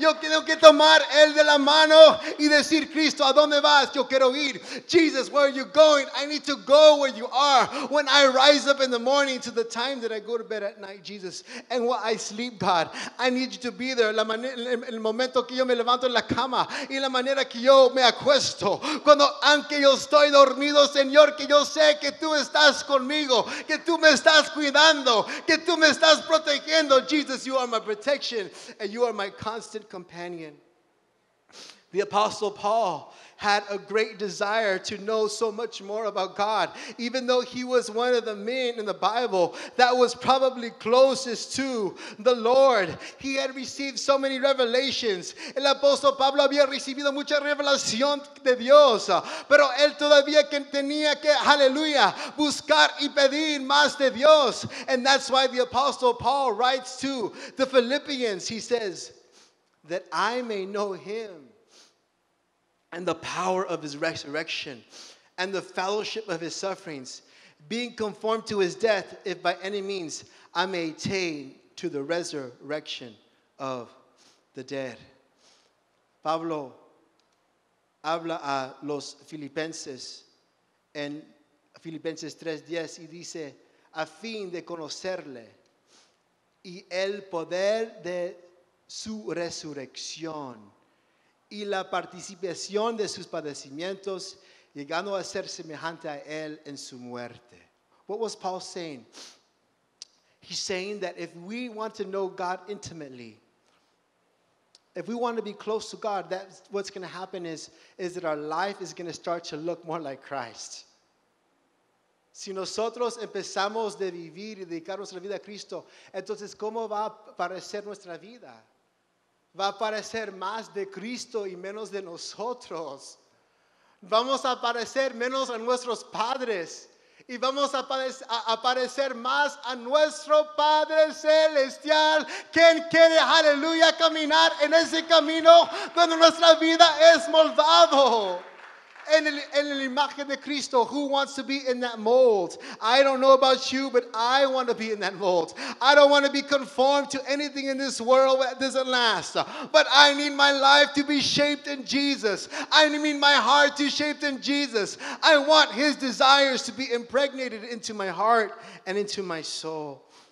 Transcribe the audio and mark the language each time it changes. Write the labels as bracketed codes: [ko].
[es] Yo tengo que tomar Él de la mano y decir, Cristo, ¿a dónde vas? Yo quiero ir. [en] Jesus, where are you going? going. I need to go where you are. When I rise up in the morning to the time that I go to bed at night, Jesus, and while I sleep, God, I need you to be there. [es] El momento que yo me levanto en la cama y la manera que yo me acuesto. Cuando aunque yo estoy dormido, Señor, que yo sé que tú estás conmigo, que tú me estás cuidando, que tú me estás protegiendo. [en] Jesus, you are my protection and you are my constant companion. The Apostle Paul had a great desire to know so much more about God, even though he was one of the men in the Bible that was probably closest to the Lord. He had received so many revelations. [es] El apóstol Pablo había recibido mucha revelación de Dios, pero él todavía tenía que, hallelujah, buscar y pedir más de Dios. [en] And that's why the Apostle Paul writes to the Philippians. He says, that I may know him and the power of his resurrection and the fellowship of his sufferings, being conformed to his death, if by any means I may attain to the resurrection of the dead. [es] Pablo habla a los filipenses en Filipenses 3:10 y dice, a fin de conocerle y el poder de su resurrección y la participación de sus padecimientos, llegando a ser semejante a él en su muerte. [en] What was Paul saying? He's saying that if we want to know God intimately, if we want to be close to God, that's what's going to happen is that our life is going to start to look more like Christ. [es] Si nosotros empezamos de vivir y dedicarnos la vida a Cristo, entonces, ¿cómo va a parecer nuestra vida? Va a parecer más de Cristo y menos de nosotros. Vamos a parecer menos a nuestros padres. Y vamos a parecer más a nuestro Padre Celestial. ¿Quién quiere, aleluya, caminar en ese camino cuando nuestra vida es moldado en la imagen de Cristo? [en] Who wants to be in that mold? I don't know about you, but I want to be in that mold. I don't want to be conformed to anything in this world that doesn't last. But I need my life to be shaped in Jesus. I need my heart to be shaped in Jesus. I want his desires to be impregnated into my heart and into my soul.